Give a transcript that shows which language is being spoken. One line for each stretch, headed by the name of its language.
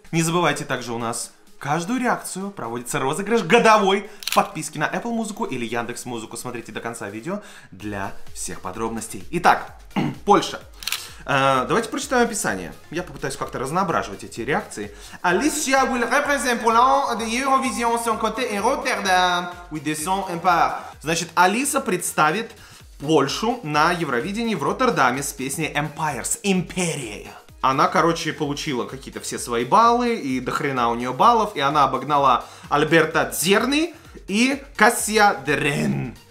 Russian: Не забывайте также у нас каждую реакцию проводится розыгрыш годовой подписки на Apple Музыку или Яндекс Музыку. Смотрите до конца видео для всех подробностей. Итак, Польша. Давайте прочитаем описание. Я попытаюсь как-то разноображивать эти реакции.
English: Alicia will represent Poland at the Eurovision Song Contest in Rotterdam with the song Empire.
Russian: Значит, Алиса представит Польшу на Евровидении в Роттердаме с песней Empires. Империя. Она, короче, получила какие-то все свои баллы, и дохрена у нее баллов, и она обогнала Альберта Дзерни и Кассия Дрен.